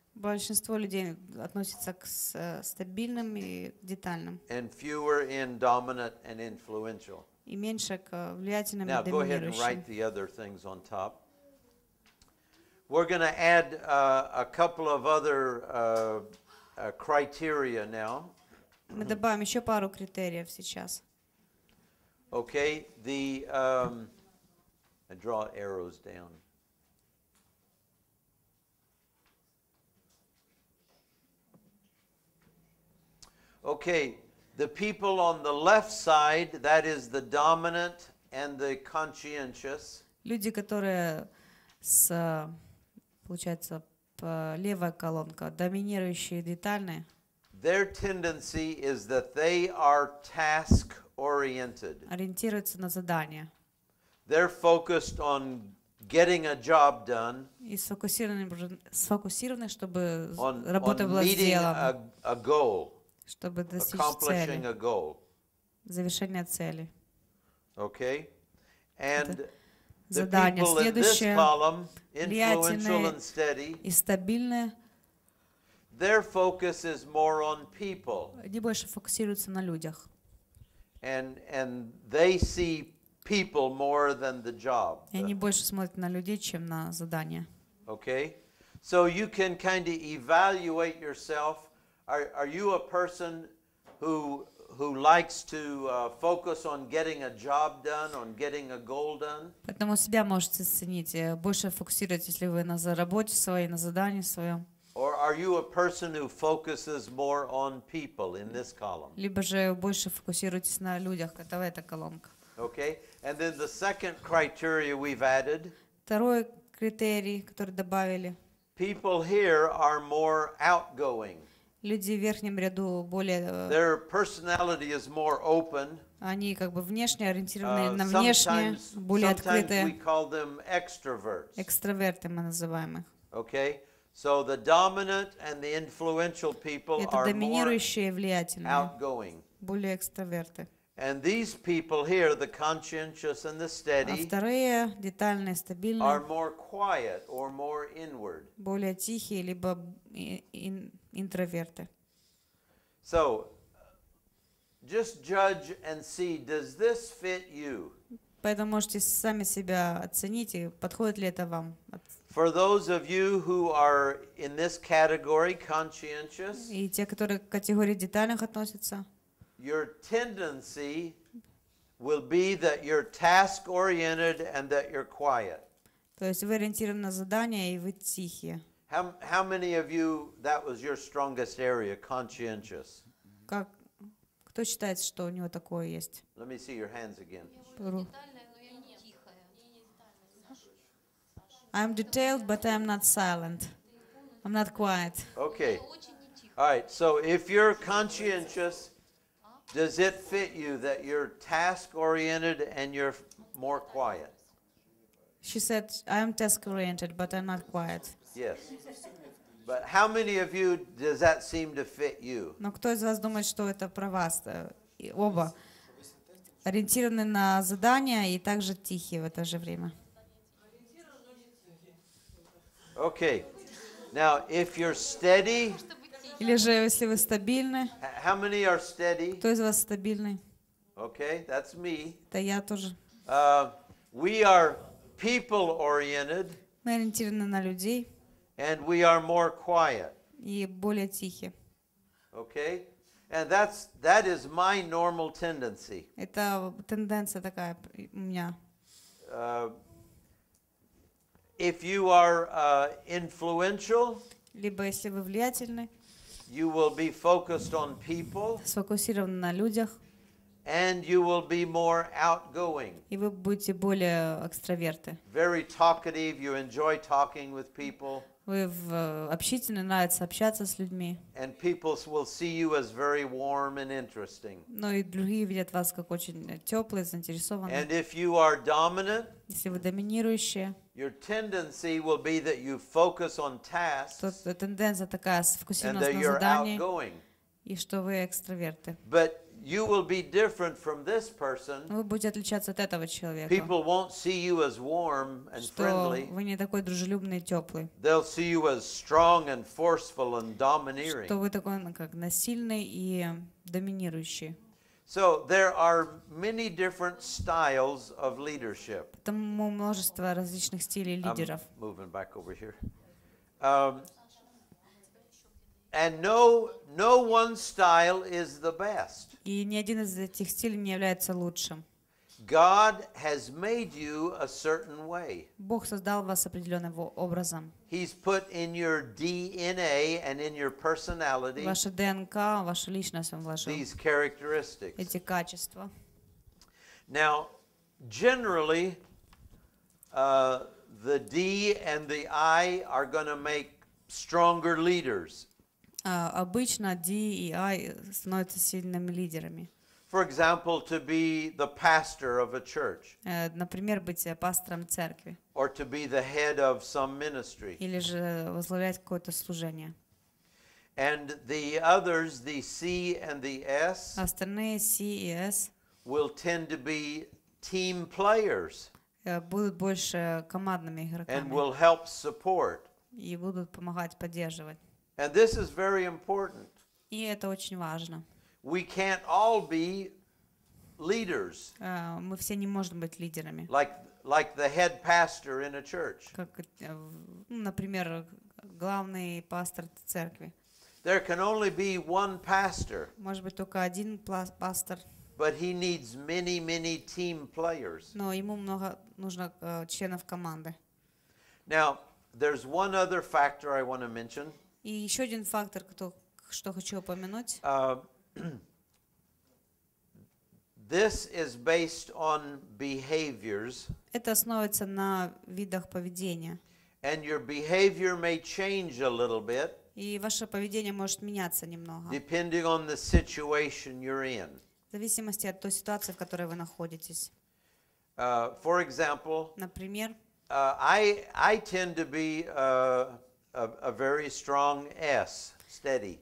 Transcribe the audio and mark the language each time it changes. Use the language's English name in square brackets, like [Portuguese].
[Russian] Большинство людей относится к стабильным и детальным. [English] And fewer in dominant and influential. [Russian] И меньше к влиятельным и доминирующим. [English] Now go ahead and write the other things on top. We're going to add a couple of other criteria now. [Russian] Мы добавим еще пару критериев сейчас. [English] Okay, the I draw arrows down. Okay, the people on the left side, that is the dominant and the conscientious. [Russian] Люди, которые с получается по левая колонка, доминирующие, детальные. [English] Their tendency is that they are task oriented. [Russian] Ориентируются на задание. [English] They're focused on getting a job done. [Russian] И сфокусированы, чтобы работа была сделана. [English] A goal. [Russian] Чтобы достичь цели. [English] A goal. [Russian] Завершение цели. [English] Okay. And [Russian] задание. Следующее. Влиятельные [English] and steady, [Russian] и стабильные. [English] Their focus is more on people. [Russian] Они больше фокусируются на людях. [English] And they see people more than the job. [Russian] И они больше смотрят на людей, чем на задание. [English] Okay. So you can kind of evaluate yourself. Are you a person who likes to focus on getting a job done, on getting a goal done? [Russian] Поэтому себя можете оценить, больше фокусируетесь ли вы на заработке своей, на задании своем? [English] Or are you a person who focuses more on people in this column? [Russian] Либо же больше фокусируетесь на людях, это в этой колонке. [English] Okay, and then the second criteria we've added. [Russian] Второй критерий, который добавили. [English] People here are more outgoing. [Russian] Люди в верхнем ряду более. [English] Their personality is more open. [Russian] Они как бы внешне ориентированы на внешнее, более открытые. [English] We call them extroverts. [Russian] Экстраверты мы называем их. [English] Okay. So the dominant and the influential people are more outgoing. [Russian] Более экстраверты. [English] And these people here, the conscientious and the steady, [Russian] а вторые, детальные, стабильные, [English] are more quiet or more inward. [Russian] Более тихие либо интроверты. [English] So just judge and see, does this fit you? [Russian] Поэтому можете сами себя оценить и подходит ли это вам. [English] For those of you who are in this category, conscientious, [Russian] и те, которые к категории детальных относятся, [English] your tendency will be that you're task-oriented and that you're quiet. [Russian] То есть вы ориентированы на задание и вы тихие. [English] How many of you that was your strongest area, conscientious? [Russian] Как кто считает, что у него такое есть? [English] Let me see your hands again. I'm detailed, but I'm not silent. I'm not quiet. Okay. All right. So if you're conscientious, does it fit you that you're task-oriented and you're more quiet? She said, I'm task-oriented, but I'm not quiet. Yes. But how many of you does that seem to fit you? [Russian] Но кто из вас думает, что это про вас? Оба. Ориентированы на задания и также тихие в это же время. [English] Okay. Now, if you're steady, [Russian] или же если вы стабильны, [English] how many are steady? [Russian] Кто из вас стабильный? [English] Okay, that's me. [Russian] Это я тоже. [English] We are people-oriented. [Russian] Мы ориентированы на людей. [English] And we are more quiet. [Russian] И более тихие. [English] Okay. And that is my normal tendency. [Russian] Это тенденция такая у меня. [English] If you are influential, [Russian] либо если вы влиятельны, [English] you will be focused on people, [Russian] сфокусированы на людях, [English] and you will be more outgoing. [Russian] И вы будете более экстраверты. [English] Very talkative, you enjoy talking with people. [Russian] Вы общительны, нравится общаться с людьми. [English] And people will see you as very warm and interesting. [Russian] Но и другие видят вас как очень теплый, заинтересованный. [English] And if you are dominant, [Russian] если вы доминирующие, [English] your tendency will be that you focus on tasks. [Russian] То тенденция такая, сфокусированность на заданиях. И что вы экстраверты. [English] But you will be different from this person. [Russian] Вы будете отличаться от этого человека. [English] People won't see you as warm and friendly. [Russian] Что вы не такой дружелюбный и теплый. [English] They'll see you as strong and forceful and domineering. [Russian] Что вы такой как насильный и доминирующий. [English] So there are many different styles of leadership. [Russian] Поэтому множество различных стилей лидеров. [English] I'm moving back over here. And no one style is the best. [Russian] И ни один из этих стилей не является лучшим. [English] God has made you a certain way. [Russian] Бог создал вас определенным образом. [English] He's put in your DNA and in your personality. [Russian] Ваша ДНК, ваша личность он вложил. [English] These characteristics. [Russian] Эти качества. [English] Now, generally, the D and the I are going to make stronger leaders. [Russian] Обычно D и I становятся сильными лидерами. [English] For example, to be the pastor of a church. [Russian] Например, быть пастором церкви. [English] Or to be the head of some ministry. [Russian] Или же возглавлять какое-то служение. [English] And the others, the C and the S. [Russian] Остальные C и S. [English] Will tend to be team players. [Russian] Будут больше командными игроками. [English] And will help support. [Russian] И будут помогать, поддерживать. [English] And this is very important. [Russian] И это очень важно. [English] We can't all be leaders. [Russian] Мы все не можем быть лидерами. [English] Like the head pastor in a church. [Russian] Как, например, главный пастор церкви. [English] There can only be one pastor. [Russian] Может быть только один пастор. [English] But he needs many, many team players. [Russian] Но ему много нужно членов команды. [English] Now, there's one other factor I want to mention. [Russian] И еще один фактор, что хочу упомянуть. [English] This is based on behaviors. [Russian] Это основывается на видах поведения. [English] And your behavior may change a little bit. [Russian] И ваше поведение может меняться немного. [English] Depending on the situation you're in. [Russian] В зависимости от той ситуации, в которой вы находитесь. [English] For example. [Russian] Например. [English] I tend to be a very strong S. Steady.